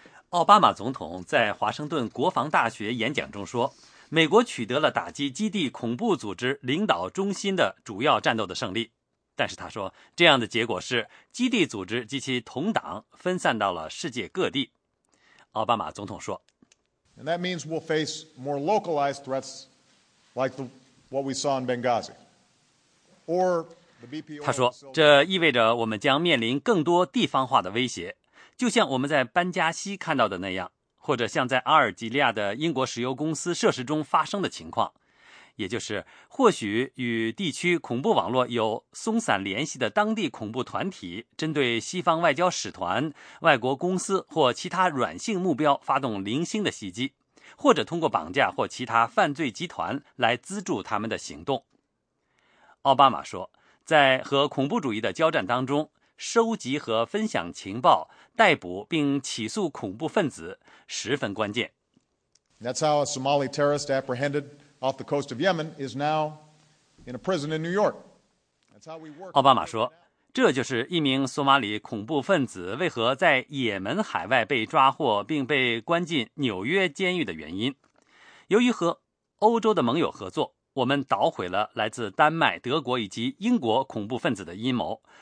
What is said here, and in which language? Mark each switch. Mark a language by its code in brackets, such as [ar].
[zh] 奥巴马总统在华盛顿国防大学演讲中说，美国取得了打击基地恐怖组织领导中心的主要战斗的胜利，但是他说这样的结果是基地组织及其同党分散到了世界各地。奥巴马总统说， [en] And that means we'll face more localized threats like what we saw in Benghazi or... [zh] 他说，这意味着我们将面临更多地方化的威胁，就像我们在班加西看到的那样，或者像在阿尔及利亚的英国石油公司设施中发生的情况，也就是或许与地区恐怖网络有松散联系的当地恐怖团体针对西方外交使团、外国公司或其他软性目标发动零星的袭击，或者通过绑架或其他犯罪集团来资助他们的行动。奥巴马说，在和恐怖主义的交战当中，收集和分享情报、逮捕并起诉恐怖分子十分关键。 [en] That's how a Somali terrorist apprehended off the coast of Yemen is now in a prison in New York. [zh] 奥巴马说，这就是一名索马里恐怖分子为何在也门海外被抓获并被关进纽约监狱的原因。由于和欧洲的盟友合作，我们捣毁了来自丹麦、德国以及英国恐怖分子的阴谋。